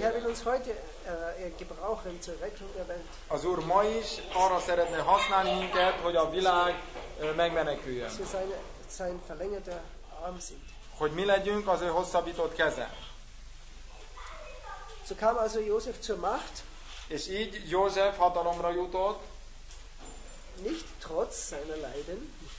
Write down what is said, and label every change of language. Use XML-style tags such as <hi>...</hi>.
<de>Herr will uns heute gebrauchen zur Rettung der Welt.</de> <hu>Az Úr ma is arra szeretne használni minket, hogy a világ megmeneküljön.</hu> <de>Dass wir sein verlängerter Arm sind.</de> <hu>Hogy mi legyünk az ő hosszabbított keze.</hu> <de>So kam also Josef zur Macht.</de> <hu>És így József hatalomra jutott.</hu> <de>Nicht trotz seiner Leiden.</de>